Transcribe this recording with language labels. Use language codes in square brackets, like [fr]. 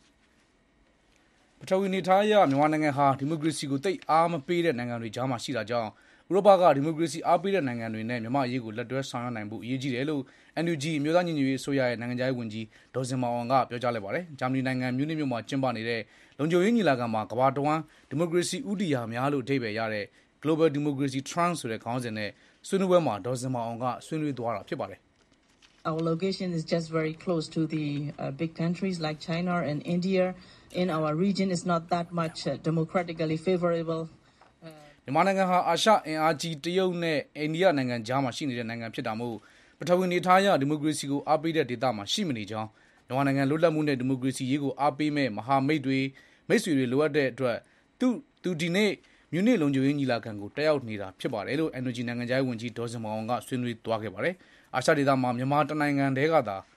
[my] ပထဝီနေထိုင်ရမြန်မာနိုင်ငံဟာဒီမိုကရေစီကိုတိတ်အားမပေးတဲ့နိုင်ငံတွေကြားမှာရှိတာကြောင့်ဥရောပကဒီမိုကရေစီအားပေးတဲ့နိုင်ငံတွေနဲ့မြန်မာအရေးကိုလက်တွဲဆောင်ရွက်နိုင်ဖို့အရေးကြီးတယ်လို့ NUG မြို့သားညီညီရေးအစိုးရရဲ့နိုင်ငံခြားရေးဝန်ကြီးဒေါ်စင်မောင်အောင်ကပြောကြားလိုက်ပါတယ်။ဂျာမနီနိုင်ငံမြူးနစ်မြို့မှာကျင်းပနေတဲ့လုံခြုံရေးညီလာခံမှာကမ္ဘာတဝန်းဒီမိုကရေစီဥတီယာများလို့အဓိပ္ပာယ်ရတဲ့ [en] Global Democracy Trans [my] ဆိုတဲ့ခေါင်းစဉ်နဲ့ဆွေးနွေးပွဲမှာဒေါ်စင်မောင်အောင်ကဆွေးနွေးသွားတာဖြစ်ပါတယ် [en] ။ Our location is just very close to the big countries like China and India. In our region is not that much democratically favorable. [my] မြန်မာနိုင်ငံဟာအာရှအင်အားကြီးတရုတ်နဲ့အိန္ဒိယနိုင်ငံကြားမှာရှိနေတဲ့နိုင်ငံဖြစ်တာမို့ပထဝီနေထိုင်ရဒီမိုကရေစီကိုအားပေးတဲ့ဒေသမှာရှိမနေကြောင်းမြန်မာနိုင်ငံလွတ်လပ်မှုနဲ့ဒီမိုကရေစီရေးကိုအားပေးမဲ့မဟာမိတ်တွေမိတ်ဆွေတွေလိုအပ်တဲ့အတွက်သူဒီနေ့မြူးနစ်လုံခြုံရေးညီလာခံကိုတက်ရောက်နေတာဖြစ်ပါတယ်လို့အန်ယူဂျီနိုင်ငံခြားရေးဝန်ကြီးဒေါ်စင်မောင်ကဆွေးနွေးသွားခဲ့ပါတယ်။အာရှဒေသမှာမြန်မာတနိုင်ငံတွေကသာ